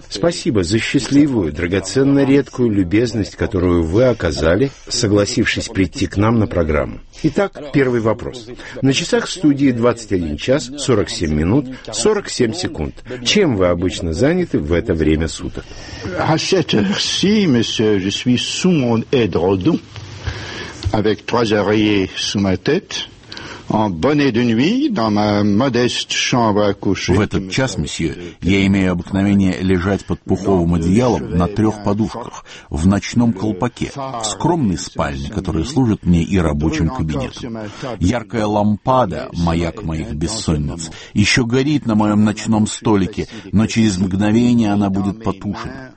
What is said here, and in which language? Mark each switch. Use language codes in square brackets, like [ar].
[ru] Спасибо за счастливую, драгоценно редкую любезность, которую вы оказали, согласившись прийти к нам на программу. Итак, Первый вопрос. На часах студии 21 час 47 минут 47 секунд. Чем вы обычно заняты в это время суток? [fr] À cette heure-ci, monsieur, je suis sous mon édredon, avec trois oreillers sous ma tête. [ru] В этот час, месье, я имею обыкновение лежать под пуховым одеялом на трех подушках, в ночном колпаке, в скромной спальне, которая служит мне и рабочим кабинетом. Яркая лампада, маяк моих бессонниц, еще горит на моем ночном столике, но через мгновение она будет потушена.